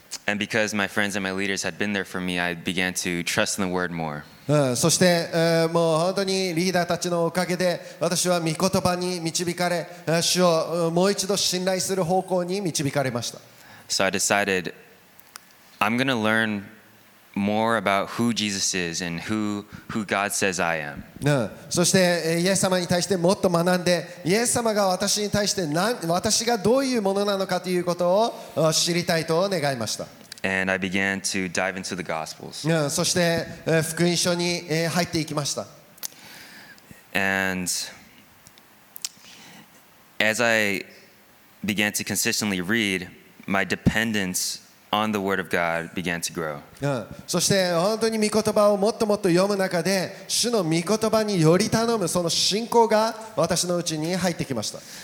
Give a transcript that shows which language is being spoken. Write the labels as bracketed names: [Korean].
[English] And because my friends and my leaders had been there for me, I began to trust in the word more. [Japanese] そして、もう本当にリーダーたちのおかげで、私は御言葉に導かれ、主をもう一度信頼する方向に導かれました。 [English] So I decided, I'm going to learn more about who Jesus is and who God says I am. [Japanese] そして、イエス様に対してもっと学んで、イエス様が私に対して私がどういうものなのかということを知りたいと願いました。 [English] And I began to dive into the Gospels. [Japanese] そして、福音書に入っていきました。 [English] And as I began to consistently read, my dependence on the Word of God began to grow. [Japanese] そして、本当に御言葉をもっともっと読む中で、主の御言葉により頼むその信仰が私のうちに入ってきました。